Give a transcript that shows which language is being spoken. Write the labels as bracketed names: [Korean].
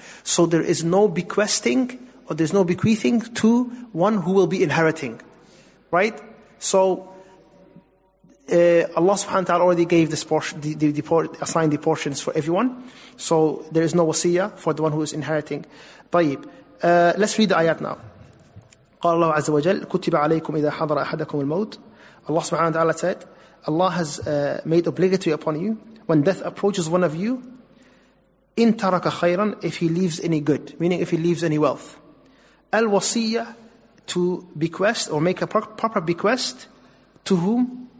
[English] So there is no bequesting or there's no bequeathing to one who will be inheriting. Right? So Allah subhanahu wa ta'ala already gave this portion, assigned the portions for everyone. So there is no wasiyah for the one who is inheriting. طيب. Let's read the ayat now. [Arabic] قال الله عز وجل كتب عليكم إذا حضر أحدكم الموت. [English] Allah subhanahu wa ta'ala said, Allah has made obligatory upon you when death approaches one of you, [Arabic] إن ترك خيرا, [English] if he leaves any good, meaning if he leaves any wealth. الوصية, to bequest or make a proper bequest, to whom?